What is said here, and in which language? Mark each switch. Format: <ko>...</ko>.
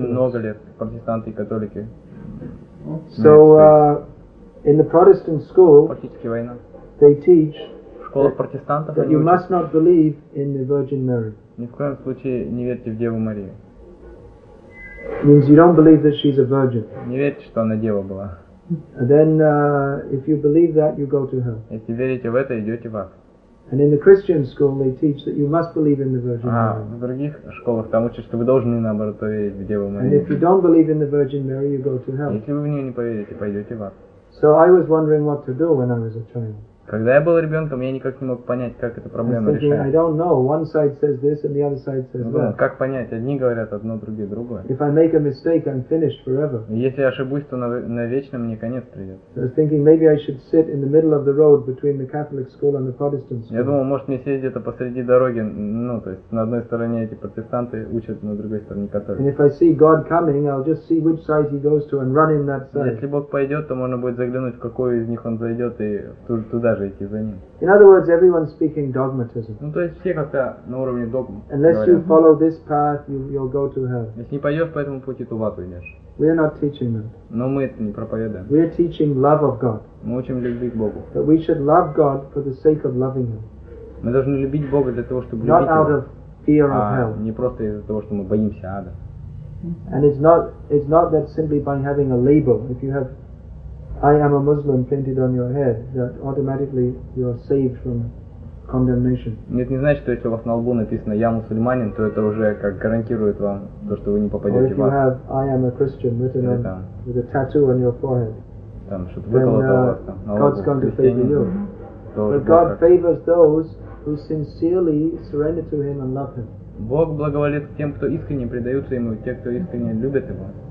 <ru>Очень много лет протестанты и католики.</ru> <en>So in the Protestant school,</en> <ru>практически война.</ru> <en>They teach</en> <ru>в школах протестантов</ru> <en>that you must not believe in the Virgin Mary.</en> <ru>Ни в коем случае не верьте в Деву Марию.</ru> <en>Means you don't believe that she's a virgin.</en> <ru>Не верьте, что она дева была.</ru> <en>And then if you believe that, you go to her.</en> <ru>Если верите в это, идете в ад.</ru> <en>And in the Christian school they teach that you must believe in the Virgin Mary.</en> <ru>А в других школах там учат, что вы должны наоборот поверить в Деву Марию.</ru> <en>And if you don't believe in the Virgin Mary, you go to hell.</en> <ru>Если вы в нее не поверите, пойдете в ад.</ru> <en>So I was wondering what to do when I was a child.</en> <ru>Когда я был ребенком, я никак не мог понять, как эта проблема решается.</ru> <en>I don't know. One side says this, and the other side says that.</en> <ru>Как понять? Одни говорят одно, другие другое.</ru> <en>If I make a mistake, I'm finished forever.</en> <ru>Если я ошибусь, то навечно мне конец придет.</ru> <en>I was thinking maybe I should sit in the middle of the road between the Catholic school and the Protestant school.</en> <ru>Я думал, может мне сесть где-то посреди дороги, ну то есть на одной стороне эти протестанты учат, на другой стороне католики.</ru> <en>And if I see God coming, I'll just see which side He goes to and run in that side.</en> <ru>Если Бог пойдет, то можно будет заглянуть, в какой из них Он зайдет и туда.</ru> <en>In other words, everyone's speaking dogmatism.</en> <ru>Ну то есть все как-то на уровне догм.</ru> <en>Unless you follow this path, you'll go to hell.</en> <ru>Если не пойдешь по этому пути, то в ад уйдешь.</ru> <en>We are not teaching that.</en> <ru>Но мы это не проповедуем.</ru> <en>We are teaching love of God.</en> <ru>Мы учим любви к Богу.</ru> <en>That we should love God for the sake of loving Him.</en> <ru>Мы должны любить Бога для того, чтобы</ru> <en>not</en> <ru>любить Его.</ru> <en>Not out of fear of hell.</en> <ru>Не просто из-за того, что мы боимся ада.</ru> <en>And it's not that simply by having a label. If you have I am a Muslim painted on your head, that automatically you are saved from condemnation.</en> <ru>Нет, не значит, что если у вас на лбу написано «Я мусульманин», то это уже как гарантирует вам то, что вы не попадете в ад.</ru> <en>Or if you have «I am a Christian» written on, with a tattoо on your forehead,</en> <ru>там что-то выколото у вас там на лбу.</ru> <en>God's going to favor you. But God favors those who sincerely surrender to Him and love Him.</en> <ru>Бог благоволит тем, кто искренне предаются Ему, и те, кто искренне любят Его.</ru>